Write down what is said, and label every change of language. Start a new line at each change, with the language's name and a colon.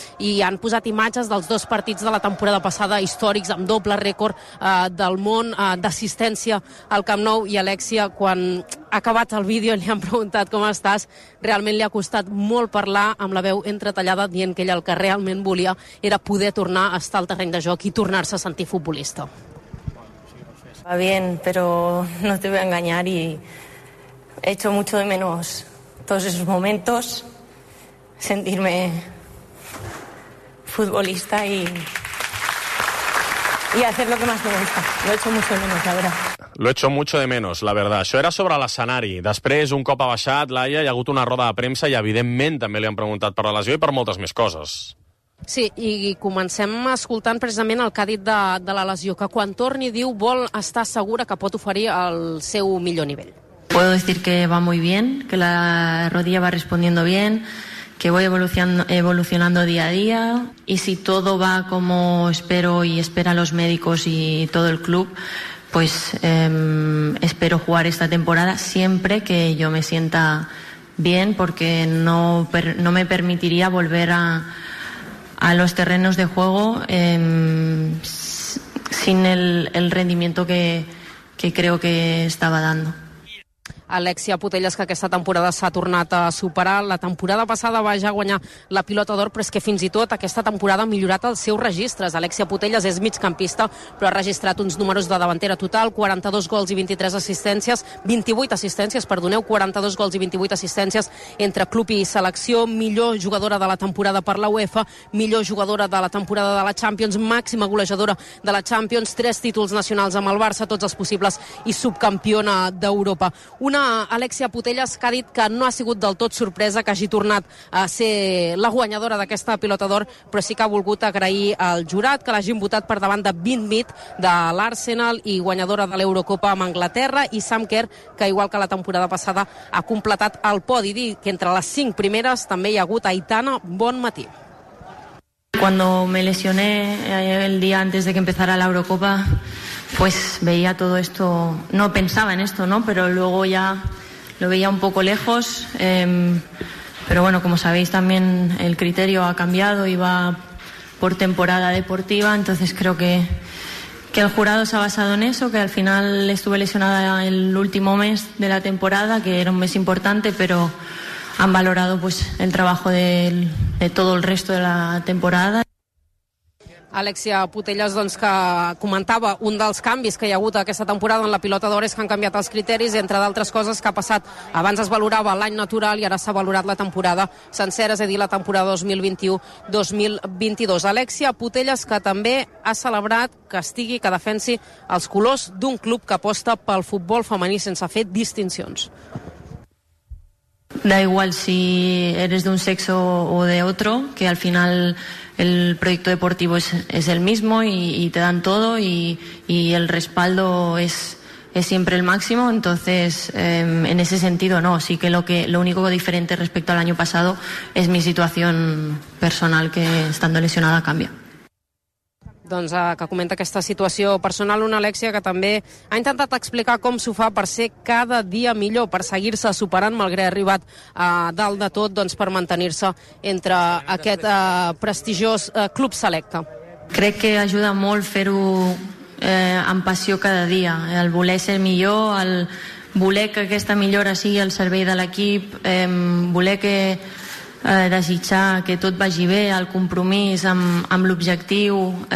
Catalan: I han posat imatges dels dos partits de la temporada passada històrics, amb doble rècord del món d'assistència al Camp Nou, i Alexia, quan ha acabat el vídeo i li han preguntat com estàs, realment li ha costat molt parlar amb la veu entretallada, dient que ella el que realment volia era poder tornar a estar al terreny de joc i tornar-se a sentir futbolista.
Spanish: Va bien, pero no te voy a engañar, y he hecho mucho de menos todos esos momentos, sentirme futbolista y hacer lo que más me gusta. Lo he hecho mucho de menos, la verdad. Lo he hecho mucho de menos, la verdad.
Catalan: Això era sobre l'escenari. Després, un cop ha baixat, Laia, hi ha hagut una roda de premsa i, evidentment, també li han preguntat per la lesió i per moltes més coses. Sí, i comencem escoltant precisament el que ha dit de la lesió, que quan torni, diu, vol estar segura que pot oferir el seu millor nivell.
Spanish: Puedo decir que va muy bien, que la rodilla va respondiendo bien, que voy evolucionando día a día, y si todo va como espero y esperan los médicos y todo el club, pues espero jugar esta temporada siempre que yo me sienta bien, porque no me permitiría volver a los terrenos de juego sin el rendimiento que creo que estaba dando.
Catalan: Alexia Putellas, que aquesta temporada s'ha tornat a superar. La temporada passada va ja guanyar la pilota d'or, però és que fins i tot aquesta temporada ha millorat els seus registres. Alexia Putellas és migcampista, però ha registrat uns números de davantera total: 42 gols i 23 assistències, 28 assistències, perdoneu, 42 gols i 28 assistències entre club i selecció, millor jugadora de la temporada per la UEFA, millor jugadora de la temporada de la Champions, màxima golejadora de la Champions, 3 títols nacionals amb el Barça, tots els possibles, i subcampiona d'Europa. Una Alexia Putellas que ha dit que no ha sigut del tot sorpresa que hagi tornat a ser la guanyadora d'aquesta pilota d'or, però sí que ha volgut agrair al jurat que l'hagin votat per davant de Vin Smith de l'Arsenal i guanyadora de l'Eurocopa amb Anglaterra, i Sam Kerr, que igual que la temporada passada ha completat el podi, dir que entre les 5 primeres també hi ha hagut Aitana Bonmatí.
Spanish: Cuando me lesioné el día antes de que empezara la Eurocopa, pues veía todo esto, no pensaba en esto, ¿no? Pero luego ya lo veía un poco lejos. Pero bueno, como sabéis, también el criterio ha cambiado y va por temporada deportiva. Entonces creo que el jurado se ha basado en eso, que al final estuve lesionada el último mes de la temporada, que era un mes importante, pero han valorado, pues, el trabajo de todo el resto de la temporada.
Catalan: Alexia Putellas, doncs, que comentava un dels canvis que hi ha hagut aquesta temporada en la pilota d'or, és que han canviat els criteris, entre d'altres coses, que ha passat. Abans es valorava l'any natural i ara s'ha valorat la temporada sencera, és a dir, la temporada 2021-2022. Alexia Putellas, que també ha celebrat que estigui, que defensi els colors d'un club que aposta pel futbol femení sense fer distincions.
Spanish: da igual si eres de un sexo o de otro, que al final el proyecto deportivo es el mismo y te dan todo y el respaldo es siempre el máximo. Entonces, en ese sentido, no, sí que lo único diferente respecto al año pasado es mi situación personal, que estando lesionada cambia.
Catalan: Doncs, que comenta aquesta situació personal, una Alèxia que també ha intentat explicar com s'ho fa per ser cada dia millor, per seguir-se superant malgrat arribat a dalt de tot, doncs, per mantenir-se entre aquest prestigiós club selecte. Crec que ajuda molt fer-ho amb passió cada dia, el voler ser millor, el voler que aquesta millora sigui al servei de l'equip, voler que desitjar que tot vagi bé, el compromís amb l'objectiu.